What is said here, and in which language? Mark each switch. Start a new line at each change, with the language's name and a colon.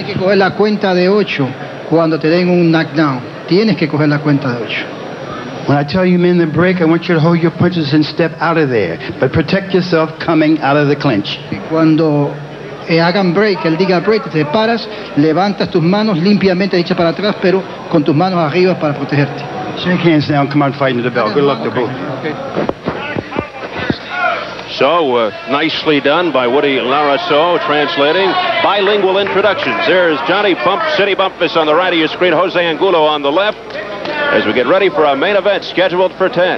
Spanish: Tienes que coger la cuenta de ocho cuando te den un knockdown. Tienes que coger la cuenta de ocho.
English: When I tell you men to break, I want you to hold your punches and step out of there. But protect yourself coming out of the clinch.
Spanish: Cuando hagan break, él diga break, te paras, levantas tus manos limpiamente, echa para atrás, pero con tus manos arriba para protegerte.
English: Shake hands now and come out fighting to the bell. Good luck to both. So, nicely done by Woody Larrasso, translating. Bilingual introductions. There's Johnny Bump, City Bumphus on the right of your screen, Jose Angulo on the left. As we get ready for our main event, scheduled for 10.